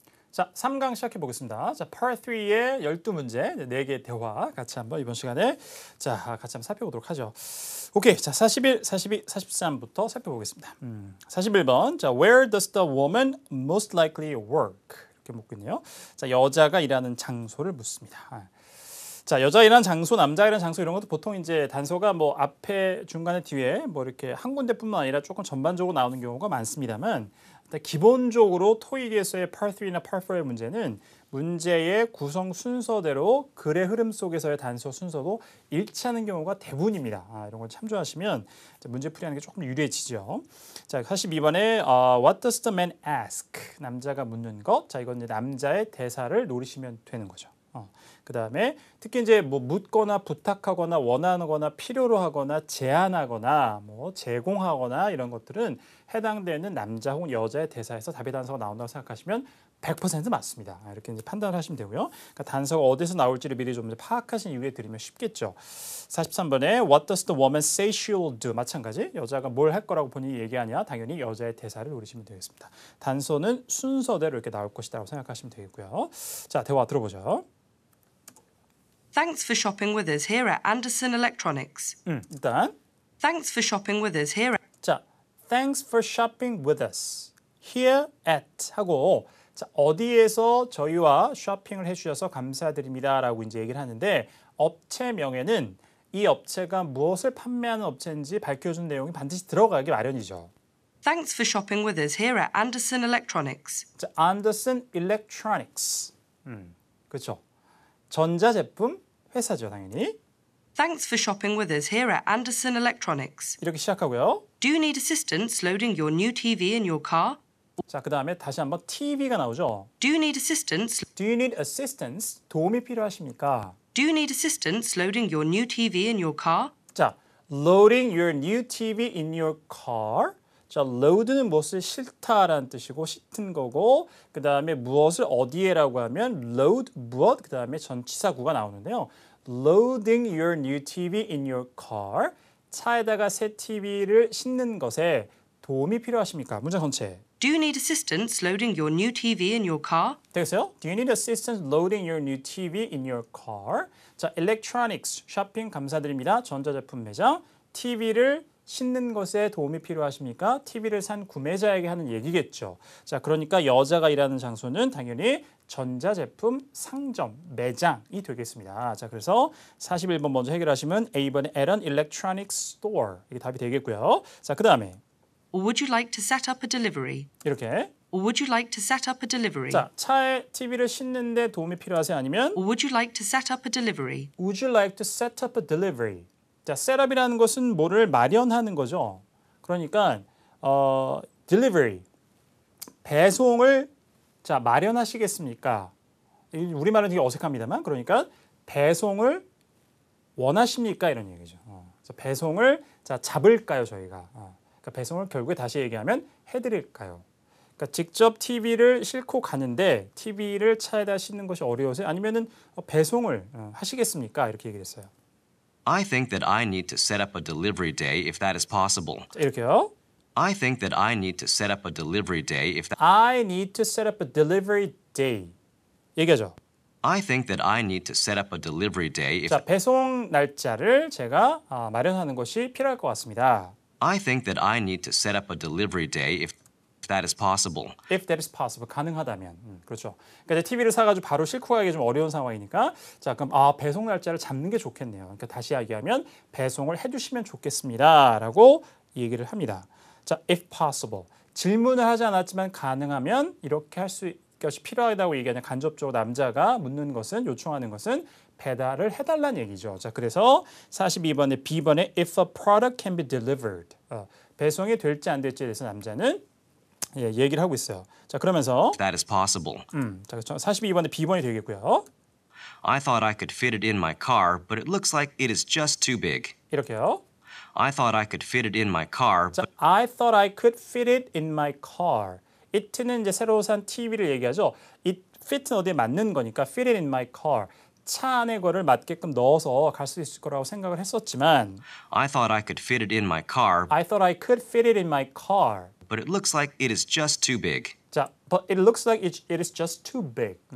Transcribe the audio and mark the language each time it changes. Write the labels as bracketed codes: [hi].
[ko] 자, 3강 시작해 보겠습니다. 자, Part 3의 12문제, 4개 대화 같이 한번 이번 시간에 자 같이 한번 살펴보도록 하죠. 오케이, 자, 41, 42, 43부터 살펴보겠습니다. 41번, 자, [en] Where does the woman most likely work? [ko] 이렇게 묻고 있네요. 자, 여자가 일하는 장소를 묻습니다. 자, 여자 일하는 장소, 남자 일하는 장소 이런 것도 보통 이제 단서가 뭐 앞에, 중간에, 뒤에 뭐 이렇게 한 군데뿐만 아니라 조금 전반적으로 나오는 경우가 많습니다만 기본적으로 토익에서의 Part 3나 Part 4의 문제는 문제의 구성 순서대로 글의 흐름 속에서의 단서 순서도 일치하는 경우가 대부분입니다. 아, 이런 걸 참조하시면 문제 풀이하는 게 조금 유리해지죠. 자, 42번에 [en] What does the man ask? [ko] 남자가 묻는 것. 자, 이건 이제 남자의 대사를 노리시면 되는 거죠. 그 다음에 특히 이제 뭐 묻거나 부탁하거나 원하거나 필요로 하거나 제안하거나 뭐 제공하거나 이런 것들은 해당되는 남자 혹은 여자의 대사에서 답의 단서가 나온다고 생각하시면 100% 맞습니다. 이렇게 이제 판단을 하시면 되고요. 그러니까 단서가 어디서 나올지를 미리 좀 파악하신 이후에 드리면 쉽겠죠. [en] 43번에 What does the woman say she'll do? [ko] 마찬가지 여자가 뭘 할 거라고 본인이 얘기하냐? 당연히 여자의 대사를 노리시면 되겠습니다. 단서는 순서대로 이렇게 나올 것이라고 생각하시면 되겠고요. 자, 대화 들어보죠. [en] Thanks for shopping with us here at Anderson Electronics. [ko] 일단 [en] Thanks for shopping with us here. [ko] 자, [en] Thanks for shopping with us here at [ko] 하고 자, 어디에서 저희와 쇼핑을 해주셔서 감사드립니다라고 이제 얘기를 하는데 업체 명에는 이 업체가 무엇을 판매하는 업체인지 밝혀준 내용이 반드시 들어가기 마련이죠. [en] Thanks for shopping with us here at Anderson Electronics. [ko] 자, Anderson Electronics. 그렇죠. 전자제품 회사죠, 당연히. [en] Thanks for shopping with us here at Anderson Electronics. [ko] 이렇게 시작하고요. [en] Do you need assistance loading your new TV in your car? [ko] 자, 그 다음에 다시 한번 TV가 나오죠. [en] Do you need assistance? Do you need assistance? [ko] 도움이 필요하십니까? [en] Do you need assistance loading your new TV in your car? 자, loading your new TV in your car. [ko] 자, load는 무엇을 싣다라는 뜻이고 싣은 거고 그 다음에 무엇을 어디에라고 하면 load 무엇? 그 다음에 전치사구가 나오는데요. [en] Loading your new TV in your car. [ko] 차에다가 새 TV를 싣는 것에 도움이 필요하십니까? 문장 전체. [en] Do you need assistance loading your new TV in your car? [ko] 되겠어요? [en] Do you need assistance loading your new TV in your car? [ko] 자, electronics, 쇼핑 감사드립니다. 전자제품 매장, TV를 싣는 것에 도움이 필요하십니까? TV를 산 구매자에게 하는 얘기겠죠. 자, 그러니까 여자가 일하는 장소는 당연히 전자제품 상점, 매장이 되겠습니다. 자, 그래서 41번 먼저 해결하시면 A번의 [en] at an electronics store, [ko] 이게 답이 되겠고요. 자, 그 다음에 [en] Or would you like to set up a delivery? [ko] 이렇게. [en] Or would you like to set up a delivery? [ko] 자, 차에 TV를 싣는데 도움이 필요하세요? 아니면 [en] Or would you like to set up a delivery? Would you like to set up a delivery? [ko] 자, set up이라는 것은 뭐를 마련하는 거죠. 그러니까 delivery, 배송을 자 마련하시겠습니까? 우리말은 되게 어색합니다만 그러니까 배송을 원하십니까? 이런 얘기죠. 그래서 배송을 자 잡을까요, 저희가? 그러니까 배송을 결국에 다시 얘기하면 해드릴까요? 그러니까 직접 TV를 싣고 가는데 TV를 차에다 싣는 것이 어려우세요? 아니면은 배송을 하시겠습니까? 이렇게 얘기를 했어요. [en] I think that I need to set up a delivery day if that is possible. [ko] 이렇게요. [en] I think that I need to set up a delivery day if that. I need to set up a delivery day. [ko] 얘기하죠. [en] I think that I need to set up a delivery day if. [ko] 자, 배송 날짜를 제가 마련하는 것이 필요할 것 같습니다. [en] I think that I need to set up a delivery day if that is possible. If that is possible, [ko] 가능하다면. 그렇죠. 그러니까 이제 TV를 사가지고 바로 싣고 가기 좀 어려운 상황이니까 자, 그럼 아, 배송 날짜를 잡는 게 좋겠네요. 그러니까 다시 이야기하면 배송을 해주시면 좋겠습니다. 라고 얘기를 합니다. 자, [en] if possible. [ko] 질문을 하지 않았지만 가능하면 이렇게 할 수 있는 것이 필요하다고 얘기하는 간접적으로 남자가 묻는 것은 요청하는 것은 배달을 해달라는 얘기죠. 자, 그래서 42번에 B번에 [en] If a product can be delivered, [ko] 배송이 될지 안 될지에 대해서 남자는 예, 얘기를 하고 있어요. 자, 그러면서 [en] That is possible. [ko] 자, 그렇죠. 42번에 B번이 되겠고요. [en] I thought I could fit it in my car, but it looks like it is just too big. [ko] 이렇게요. [en] I thought I could fit it in my car. 자, I thought I could fit it in my car. [ko] It는 이제 새로 산 TV를 얘기하죠. It fit는 어디에 맞는 거니까 [en] fit it in my car. [ko] 차 안에 거를 맞게끔 넣어서 갈 수 있을 거라고 생각을 했었지만 [en] I thought I could fit it in my car. I thought I could fit it in my car. But it looks like it is just too big. [ko] 자, [en] But it looks like it is just too big.